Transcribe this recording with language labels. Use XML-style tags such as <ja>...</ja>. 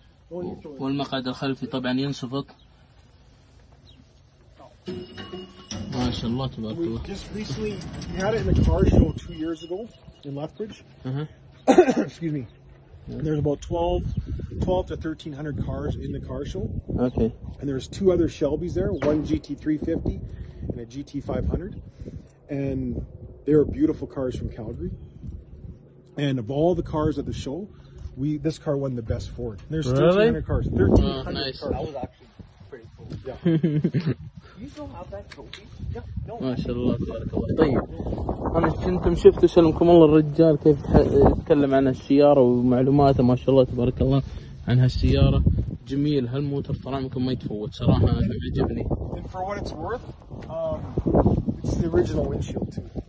<ar>والمقعد الخلفي طبعا ينصفط. ما شاء الله تبارك الله.</ar> <en>Just recently, we had it in a car show 2 years ago in Lethbridge. Excuse me. There's about 1200 to 1300 cars in the car show. Okay. And there's two other Shelbys there, one GT350 and a GT500. And they are beautiful cars from Calgary. And of all the cars at the show, this car won the best Ford. There's 1,300 really? Cars. 1,300 cars. That was actually pretty cool. Yeah. You still have that trophy?</en> <ar>ما شاء الله تبارك الله طيب انا كنتم شفتوا سلمكم الله الرجال كيف يتكلم عن السياره ومعلوماته ما شاء الله تبارك الله عن هالسياره جميل هالموتر طعمكم ما يتفوت صراحه انا عجبني</ar> <en>for what it's worth it's the original windshield too</en>